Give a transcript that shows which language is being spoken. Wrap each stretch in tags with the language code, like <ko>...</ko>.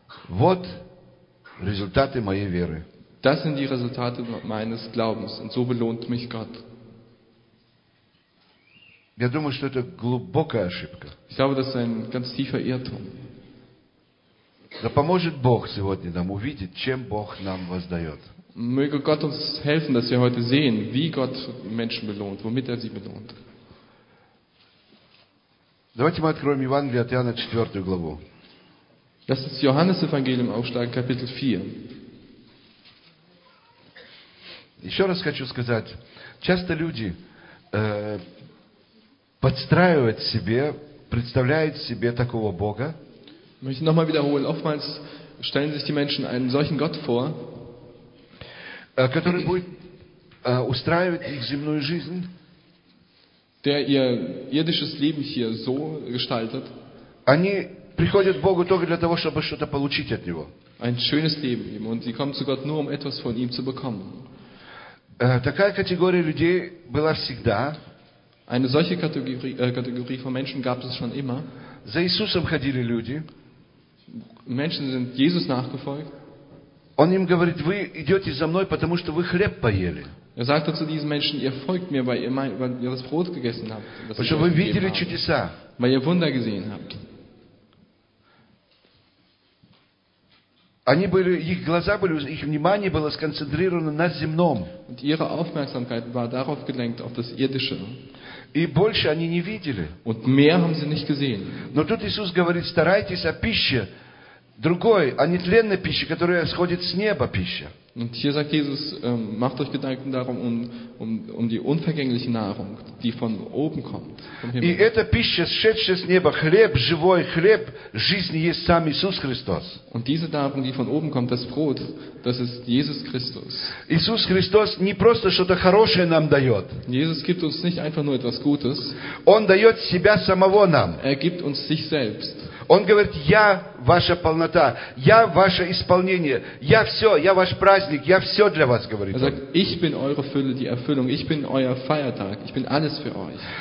<ru>Вот результаты моей веры.</ru> <de>Das sind die Resultate meines Glaubens und so belohnt mich Gott.</de> <ru>Я думаю, что это глубокая ошибка.</ru> <de>Ich glaube, das ist ein ganz tiefer Irrtum.</de> <ru>Да поможет Бог сегодня нам увидеть, чем Бог нам воздает.</ru> <de>Möge Gott uns helfen, dass wir heute sehen, wie Gott Menschen belohnt, womit er sie belohnt.</de> <ru>Давайте мы откроем Евангелие от Иоанна 4 главу.</ru> <de>Lass uns Johannes-Evangelium aufschlagen, Kapitel 4.</de> <ru>Еще раз хочу сказать, часто люди подстраивают себе, представляют себе такого Бога.</ru> <de>Ich möchte nochmal wiederholen, oftmals stellen sich die Menschen einen solchen Gott vor,</de> <ru>который будет устраивать их земную жизнь,</ru> <de>der ihr irdisches Leben hier so gestaltet.</de> <ru>Они приходят к Богу только для того, чтобы что-то получить от Него.</ru> <de>Ein schönes Leben ihm, und sie kommen zu Gott nur, um etwas von ihm zu bekommen.</de> <ru>Такая категория людей была всегда.</ru> <de>Eine solche Kategorie von Menschen gab es schon immer.</de> <ru>За Иисусом ходили люди.</ru> <de>Menschen sind Jesus nachgefolgt.</de> <ru>Он им говорит, вы идете за мной, потому что вы хлеб поели.</ru> <de>Er sagte zu diesen Menschen, ihr folgt mir, weil ihr das Brot gegessen habt.</de> <ru>Потому что вы видели чудеса.</ru> <de>Weil ihr Wunder gesehen habt.</de> <ru>Они были, их глаза были, их внимание было сконцентрировано на земном.</ru> <de>Und ihre Aufmerksamkeit war darauf gelenkt, auf das Irdische.</de> <ru>И больше они не видели.</ru> <de>Und mehr haben sie nicht gesehen.</de> <ru>Но тут Иисус говорит, старайтесь о пище другой, о нетленной пище, которая сходит с неба пища.</ru> <de>Und hier sagt Jesus, macht euch Gedanken darum, um die unvergängliche Nahrung, die von oben kommt.</de> <ru>И эта пища, сшедшая с неба, хлеб, живой хлеб, жизнь есть сам Иисус Христос.</ru> <de>Und diese Nahrung, die von oben kommt, das Brot, das ist Jesus Christus.</de> <ru>Иисус Христос не просто что-то хорошее нам дает.</ru> <de>Jesus gibt uns nicht einfach nur etwas Gutes.</de> <ru>Он дает себя самого нам.</ru> <de>Er gibt uns sich selbst.</de> <ru>Он говорит, я ваша полнота, я ваше исполнение, я все, я ваш праздник, я все для вас, говорит он.</ru> <de>Er sagt, ich bin eure Fülle, die Erfüllung, ich bin euer Feiertag, ich bin alles für euch.</de>